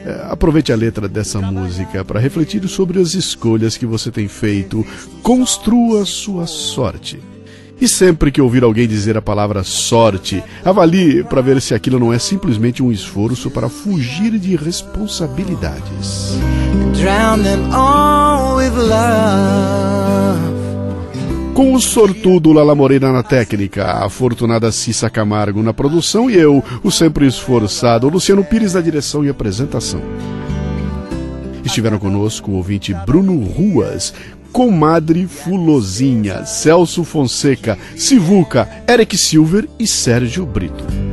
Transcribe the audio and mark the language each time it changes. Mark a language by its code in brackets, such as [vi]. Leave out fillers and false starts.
[pt] Aproveite a letra dessa música para refletir sobre as escolhas que você tem feito. Construa sua sorte. E sempre que ouvir alguém dizer a palavra sorte, avalie para ver se aquilo não é simplesmente um esforço para fugir de responsabilidades. [en] Drown them all with love. [pt] Com o sortudo Lala Moreira na técnica, a afortunada Cissa Camargo na produção e eu, o sempre esforçado Luciano Pires na direção e apresentação. Estiveram conosco o ouvinte Bruno Ruas, Comadre Fulozinha, Celso Fonseca, Sivuca, Eric Silver e Sérgio Brito.